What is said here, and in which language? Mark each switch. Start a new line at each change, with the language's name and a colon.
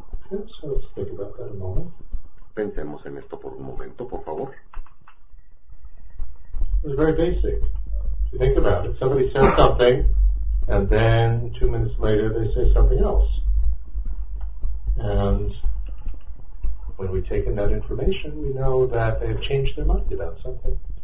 English: Okay, so let's think about that a moment.
Spanish: Pensemos en esto por un momento, por favor.
English: It's very basic. You think about it. Somebody says something, and then 2 minutes later they say something else. And when we take in that information, we know that they have changed their mind about something.